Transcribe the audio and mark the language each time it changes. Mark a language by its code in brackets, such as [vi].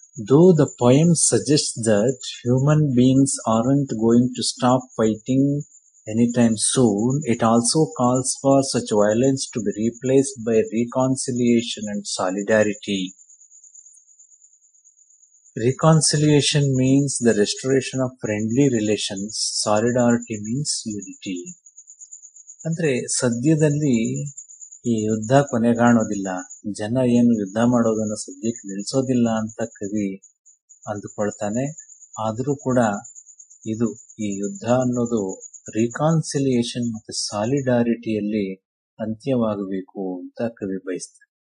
[en] Though the poem suggest that human beings aren't going to stop fighting any time soon, it also calls for such violence to be replaced by reconciliation and solidarity. Reconciliation means the restoration of friendly relations. Solidarity means unity. [kn] ಅಂದ್ರೆ ಸದ್ಯದಲ್ಲಿ ಈ ಯುದ್ಧ ಕೊನೆಗಾಣೋದಿಲ್ಲ, ಜನ ಏನು ಯುದ್ಧ ಮಾಡೋದನ್ನ ಸದ್ಯಕ್ಕೆ ನಿಲ್ಸೋದಿಲ್ಲ ಅಂತ ಕವಿ ಅಂದುಕೊಳ್ತಾನೆ. ಆದರೂ ಕೂಡ ಇದು ಈ ಯುದ್ಧ ಅನ್ನೋದು ರಿಕಾನ್ಸಿಲಿಯೇಷನ್ ಮತ್ತು ಸಾಲಿಡಾರಿಟಿಯಲ್ಲಿ ಅಂತ್ಯವಾಗಬೇಕು ಅಂತ ಕವಿ ಬಯಸ್ತಾರೆ.